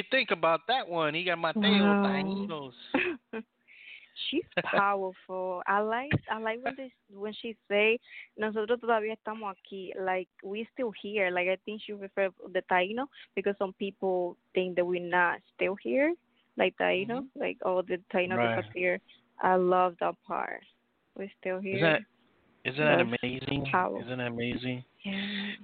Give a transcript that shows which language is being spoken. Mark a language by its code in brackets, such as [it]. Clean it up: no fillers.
[en] About that one, he got my thing with Taínos. She's powerful. I like when she say, [es] "Nosotros todavía estamos aquí." [en] Like we still here. Like I think she refer the Taíno because some people think that we're not still here, like Taíno, mm-hmm. like oh the Taíno right. disappear. I love that part. We're still here. Isn't that amazing? Powerful. Isn't that amazing? Yeah.